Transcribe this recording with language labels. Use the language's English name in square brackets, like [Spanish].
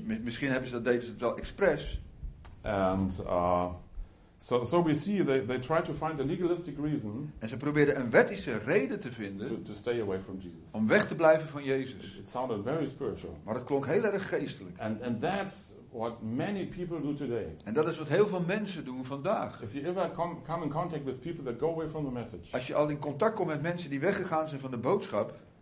[Dutch] Misschien hebben ze dat deden ze het wel expres. [English] And so we see they try to find a legalistic reason. [Dutch] En ze probeerden een wettische reden te vinden. [English] To stay away from Jesus. [Dutch] Om weg te blijven van Jezus. [English] It sounded very spiritual. [Dutch] Maar het klonk heel erg geestelijk. [English] And that's what many people do today. [Dutch] En dat is wat heel veel mensen doen vandaag. [English] If you ever come in contact with people that go away from the message. [Dutch] Als je al in contact komt met mensen die weggegaan zijn van de boodschap.